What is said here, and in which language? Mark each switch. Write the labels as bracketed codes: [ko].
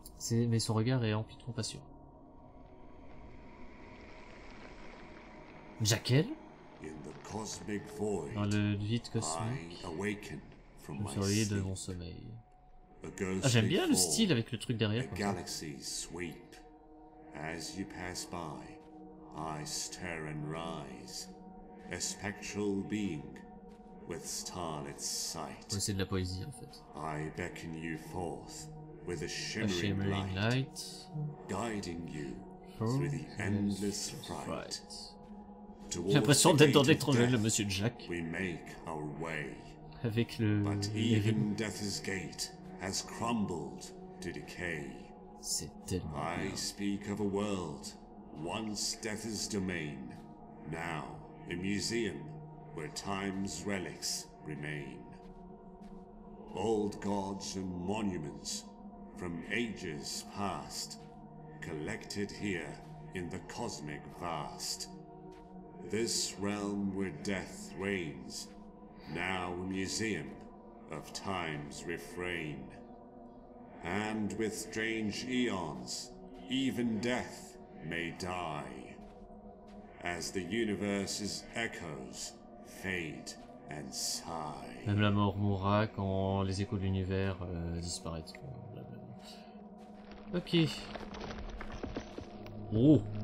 [fr] Mais son regard est empli de compassion. Jackel? Dans le vide cosmique, vous surveillez de mon sommeil. Ah, j'aime bien le style avec le truc derrière. Les galaxies sweep. [en] As you pass by, I stir and rise. A spectral being with starlit sight. [fr] Ouais, c'est de la poésie en fait. [en] I beckon you forth with a shimmering light, guiding you through the endless fright. [fr] J'ai l'impression d'être dans l'étranger, le monsieur Jack. [en] We make our way. [fr] Avec le... [en] But even Death's gate has crumbled to decay. [fr] C'est tellement bien. [en] I speak of a world once Death's domain, now a museum where time's relics remain. Old gods and monuments from ages past, collected here in the cosmic vast. This realm where death reigns, now a museum of time's refrain. And with strange eons, even death may die, as the universe's echoes fade and sigh. [fr] Même la mort mourra quand les échos de l'univers disparaîtront. Ok. Oh.